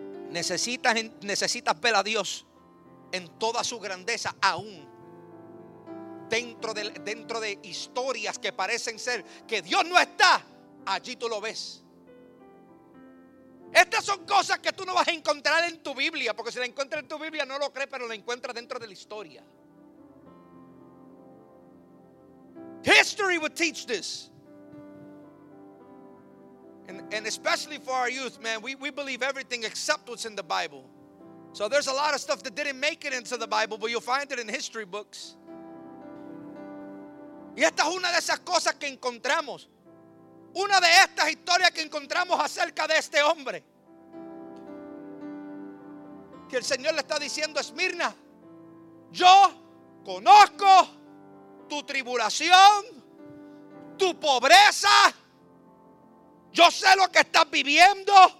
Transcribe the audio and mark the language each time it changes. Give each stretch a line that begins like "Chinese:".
Spanish: Necesitas ver a Dios en toda su grandeza, aún dentro de historias que parecen ser que Dios no está, allí tú lo ves. Estas son cosas que tú no vas a encontrar en tu Biblia, porque si la encuentras en tu Biblia no lo crees, pero la encuentras dentro de la historia.
English: History would teach this. And especially for our youth, man, we believe everything except what's in the Bible. So there's a lot of stuff that didn't make it into the Bible, but you'll find it in history books.
Spanish: Y esta es una de esas cosas que encontramos. Una de estas historias que encontramos acerca de este hombre. Que el Señor le está diciendo: Esmirna, yo conozco tu tribulación, tu pobreza. Yo sé lo que estás viviendo.